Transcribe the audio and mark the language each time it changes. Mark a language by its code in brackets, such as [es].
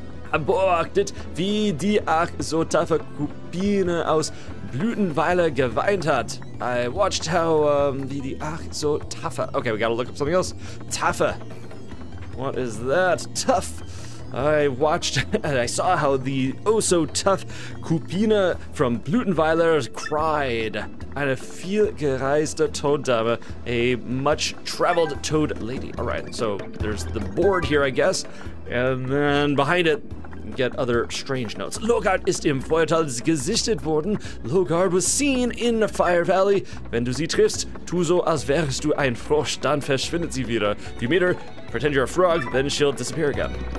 [de] Beobachtet, wie die ach so taffe Kubine aus Blütenweiler geweint hat. [en] I watched how [de] wie die ach so taffe. [en] Okay, we gotta look up something else. Taffe. What is that? Tough. I watched and I saw how the oh-so-tough Kupina from Blütenweiler cried. [de] Eine vielgereiste Toaddame, [en] a much-traveled toad lady. All right, so there's the board here, I guess. And then behind it, get other strange notes. [de] Logard ist im Feuertal gesichtet worden. [en] Logard was seen in the Fire Valley. [de] Wenn du sie triffst, tu so, als wärst du ein Frosch, dann verschwindet sie wieder. [en] If you meet her, pretend you're a frog, then she'll disappear again.